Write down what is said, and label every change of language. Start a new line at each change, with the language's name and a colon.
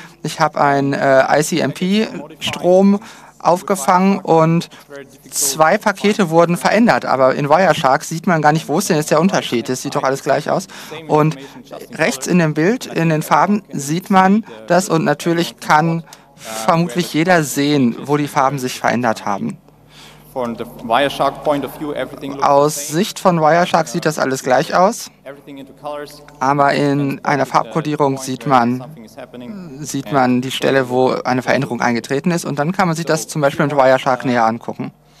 German: Ich habe ein ICMP-Strom aufgefangen und zwei Pakete wurden verändert. Aber in Wireshark sieht man gar nicht, wo ist denn jetzt der Unterschied. Das sieht doch alles gleich aus. Und rechts in dem Bild, in den Farben, sieht man das. Und natürlich kann vermutlich jeder sehen, wo die Farben sich verändert haben.
English: From the Wireshark point of view, everything looks
German: aus Sicht von Wireshark sieht das alles gleich aus, aber in einer Farbkodierung sieht man die Stelle, wo eine Veränderung eingetreten ist, und dann kann man sich das zum Beispiel mit Wireshark näher angucken.